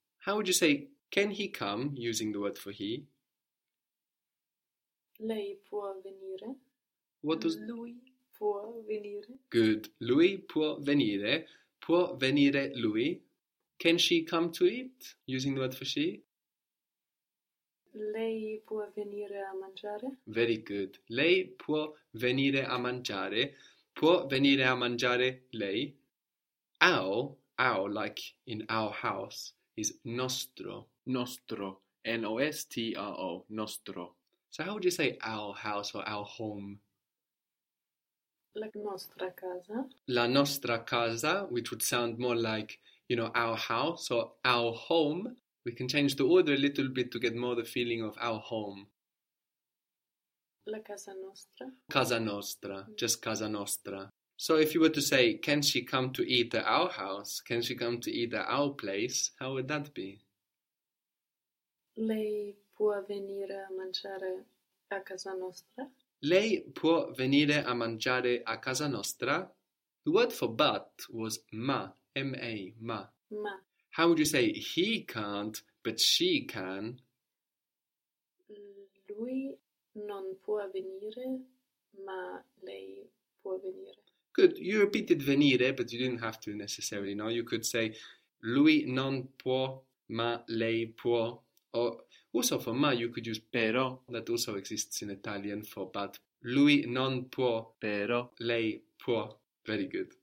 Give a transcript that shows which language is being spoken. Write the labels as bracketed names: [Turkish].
[English] How would you say, can he come, using the word for he? [Italian] Lei può venire. [English] What does... [Italian] Lui può venire. Good. Lui può venire. Può venire lui. [English] Can she come to eat, using the word for she? [Italian] Lei può venire a mangiare. [English] Very good. [Italian] Lei può venire a mangiare. Può venire a mangiare lei? [English] Our, like in our house, is nostro. Nostro. N-O-S-T-R-O. Nostro. So how would you say our house or our home? [Italian] La nostra casa. La nostra casa, [English] which would sound more like, you know, our house or our home. We can change the order a little bit to get more the feeling of our home. [Italian] La casa nostra. Casa nostra. Just casa nostra. [English] So if you were to say, can she come to eat at our house? Can she come to eat at our place? How would that be? [Italian] Lei può venire a mangiare a casa nostra. Lei può venire a mangiare a casa nostra. [English] The word for but was ma. M-A. Ma. [Italian] Ma. [English] How would you say he can't, but she can? [Italian] Lui non può venire, ma lei può venire. [English] Good. You repeated venire, but you didn't have to necessarily, no? You could say, [Italian] lui non può, ma lei può. [English] Or also for ma, you could use però. That also exists in Italian for but. [Italian] Lui non può, però lei può. [English] Very good.